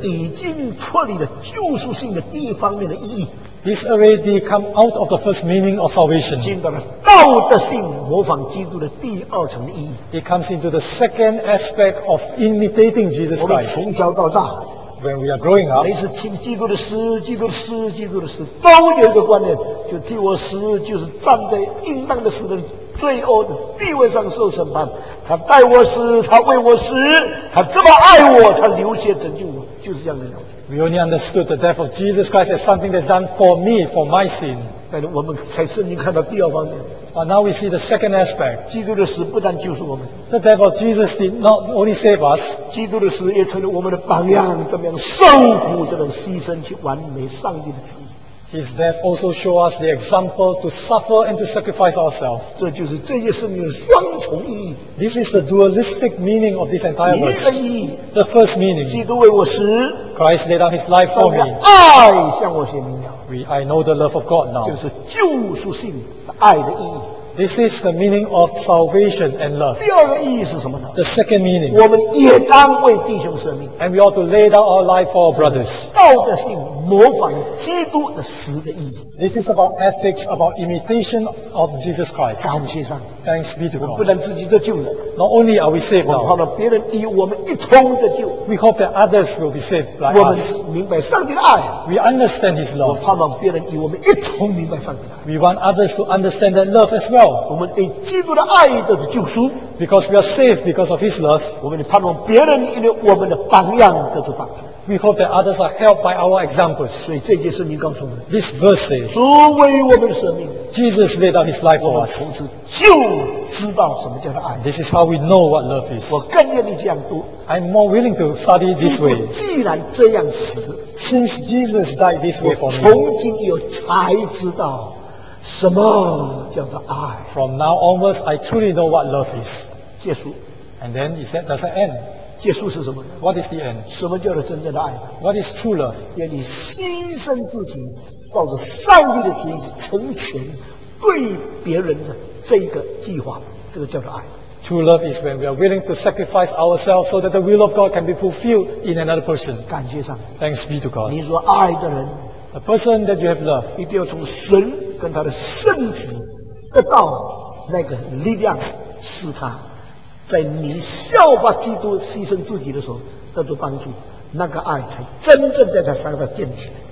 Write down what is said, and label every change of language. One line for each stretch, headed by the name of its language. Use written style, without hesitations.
Chinese: 这已经脱离了救赎性的第一方面的意义。
English: This already come out of the first meaning of salvation.
Chinese: 进到了道德性模仿基督的第二层的意义。
English: It comes into the second aspect of imitating Jesus Christ.
Chinese: 我们从小到大。
English: When we are growing up,
Chinese: 每次听基督的死，基督的死，基督的死，都有一个观念，就替我死，就是站在应当的死的罪恶的地位上受审判。他带我死，他为我死，他这么爱我，他流血拯救我，就是这样的了解。
English: We only understood the death of Jesus Christ as something that's done for me, for my sin.
Chinese: 但是我们在圣经看到第二方面。
English: But now we see the second aspect.
Chinese: 基督的死不但救赎我们。
English: The death of Jesus did not only save us.
Chinese: 基督的死也成了我们的榜样，怎么样受苦，怎么样牺牲去完美上帝的旨意。
English: His death also showed us the example to suffer and to sacrifice ourselves.
Chinese: 这就是这些圣经的双重意义。
English: This is the dualistic meaning of this entire verse.
Chinese: 第一个意义。
English: The first meaning.
Chinese: 基督为我死。
English: Christ laid down his life for me.
Chinese: 爱向我显明了。
English: I know the love of God now.
Chinese: 就是救赎性的爱的意义。
English: This is the meaning of salvation and love.
Chinese: 第二个意义是什么呢
English: ？The second meaning.
Chinese: 我们也当为弟兄舍命。
English: And we ought to lay down our life for our brothers.
Chinese: 道德性模仿基督的死的意义。
English: This is about ethics, about imitation of Jesus Christ.
Chinese: 感谢上帝。
English: Thanks be to God.
Chinese: 我们不但自己得救了。
English: Not only are we saved now.
Chinese: 我们盼望别人与我们一同得救。
English: We hope that others will be saved like us.
Chinese: 我们明白上帝的爱。
English: We understand His love.
Chinese: 我盼望别人与我们一同明白上帝的爱。
English: We want others to understand that love as well.
Chinese: 我们因基督的爱得的救赎。
English: Because we are saved because of His love.
Chinese: 我们盼望别人因为我们的榜样得的帮助。
English: We hope that others are helped by our examples.
Chinese: 所以这节圣经告诉我们
English: ，This verse says,
Chinese: 主为我们的舍命。
English: Jesus laid out His life for us.
Chinese: 我们从此就知道什么叫做爱。
English: This is how we know what love is.
Chinese: 我更愿意这样读。
English: I'm more willing to study this way.
Chinese: 既然这样死
English: ，Since Jesus died this way for me,
Chinese: 从今以后才知道什么叫做爱。
English: From now onwards, I truly know what love is.
Chinese: 结束。
English: And then he said, "Does it end?"
Chinese: 结束是什么
English: ？What is the end？
Chinese: 什么叫做真正的爱
English: ？What is true love？
Chinese: 愿你牺牲自己，照着上帝的旨意成全对别人的这一个计划，这个叫做爱。
English: True love is when we are willing to sacrifice ourselves so that the will of God can be fulfilled in another person.
Chinese: 感谢上帝。
English: Thanks be to God.
Chinese: 你说爱的人
English: ，the person that you have loved，
Chinese: 一定要从神跟他的圣子得到那个力量，使他。在你效法基督牺牲自己的时候得到帮助，那个爱才真正在他身上建起来。